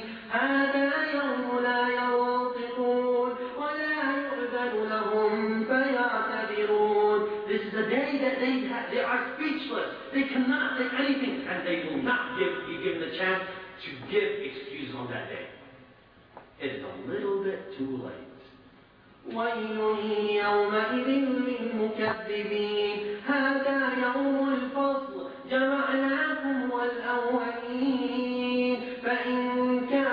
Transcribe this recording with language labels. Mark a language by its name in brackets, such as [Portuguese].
[Arabic] هذا يوم لا ينطقون ولا يؤذن لهم فيعتذرون. [English] This is a day that they are speechless. They cannot say anything and they will not be given the chance to give excuse on that day. It is a little bit too late. [Arabic] ويل يومئذ للمكذبين هذا يوم الفصل جمعناكم والأولين فإن